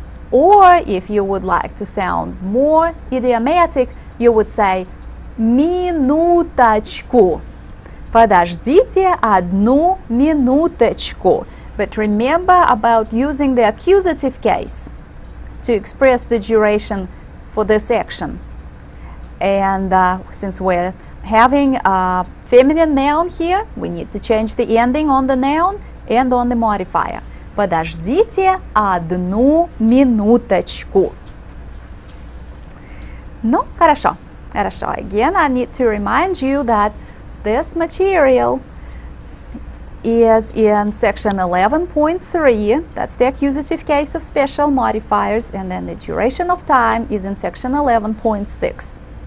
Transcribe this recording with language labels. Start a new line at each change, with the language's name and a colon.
English: Or if you would like to sound more idiomatic, you would say минуточку.
Russian: Подождите одну минуточку.
English: But remember about using the accusative case to express the duration for this action. And since we're having a feminine noun here, we need to change the ending on the noun and on the modifier.
Russian: Подождите одну минуточку. Ну, хорошо. Хорошо.
English: Again, I need to remind you that this material is in section 11.3, that's the accusative case of special modifiers, and then the duration of time is in section 11.6.